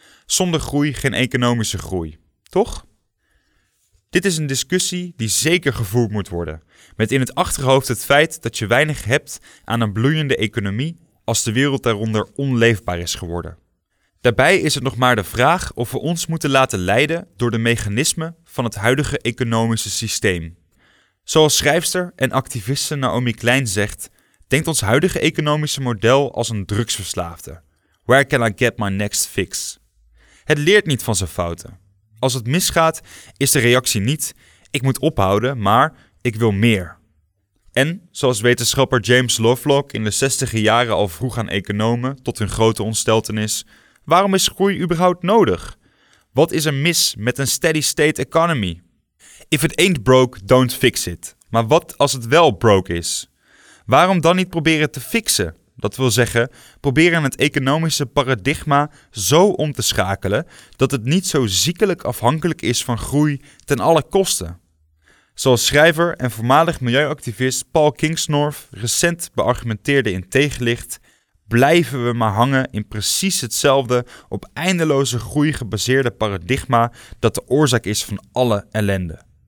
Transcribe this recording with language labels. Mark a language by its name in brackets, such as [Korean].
[Dutch] Zonder groei geen economische groei, toch? Dit is een discussie die zeker gevoerd moet worden, met in het achterhoofd het feit dat je weinig hebt aan een bloeiende economie, als de wereld daaronder onleefbaar is geworden. Daarbij is het nog maar de vraag of we ons moeten laten leiden door de mechanismen van het huidige economische systeem. Zoals schrijfster en activiste Naomi Klein zegt, denkt ons huidige economische model als een drugsverslaafde. [English] Where can I get my next fix? [Dutch] Het leert niet van zijn fouten. Als het misgaat, is de reactie niet, ik moet ophouden, maar ik wil meer. En, zoals wetenschapper James Lovelock in de 60e jaren al vroeg aan economen, tot hun grote ontsteltenis, waarom is groei überhaupt nodig? Wat is er mis met een steady state economy? [English] If it ain't broke, don't fix it. [Dutch] Maar wat als het wel broke is? Waarom dan niet proberen te fixen? Dat wil zeggen, proberen het economische paradigma zo om te schakelen dat het niet zo ziekelijk afhankelijk is van groei ten alle kosten. Zoals schrijver en voormalig milieuactivist Paul Kingsnorth recent beargumenteerde in Tegenlicht, blijven we maar hangen in precies hetzelfde op eindeloze groei gebaseerde paradigma dat de oorzaak is van alle ellende.